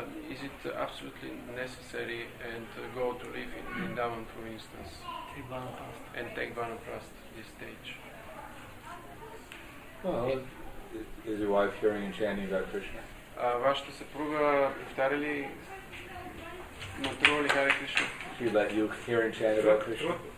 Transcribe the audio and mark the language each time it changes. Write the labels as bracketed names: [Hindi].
[English] Is it absolutely necessary and go to live in Vrindavan, for instance, and take Vanaprastha at this stage? Well, is your wife hearing and chanting about Krishna? [Bulgarian] Вашата съпруга повтаря ли, мантрува ли Хари Кришна? [English] She let you hear and chant about Krishna?